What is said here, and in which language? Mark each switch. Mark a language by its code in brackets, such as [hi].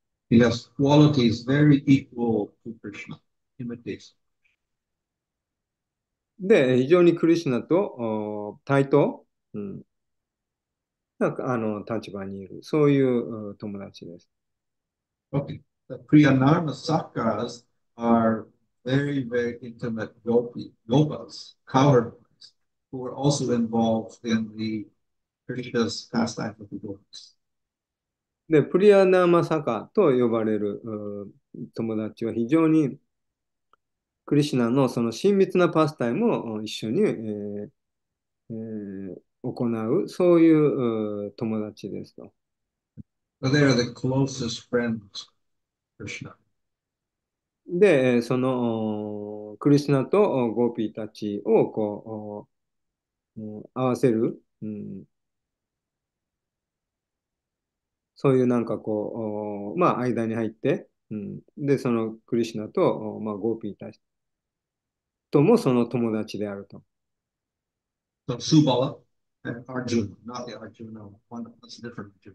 [en] He has qualities very equal to Krishna, imitates. [ja] で、非常にクリシナと対等、立場にいる、そういう友達です。 [en] Okay, the Priyanarma Sakas are very, very intimate yogas, cowherds, who are also involved in the Krishna's pastime of the yogas. [ja] で、プリヤナマサカと呼ばれる友達は非常にクリシナのその親密なパスタイムを一緒に、行う、そういう友達ですと。 [en] So they are the closest friends. Krishna. [ja] で、そのクリシナとゴーピーたちをこう合わせる。そういうなんかこう、まあ間に入って、で、そのクリシナと、まあゴーピーたちともその友達であると。 [en] So Subala and Arjuna, not the Arjuna one, that's different.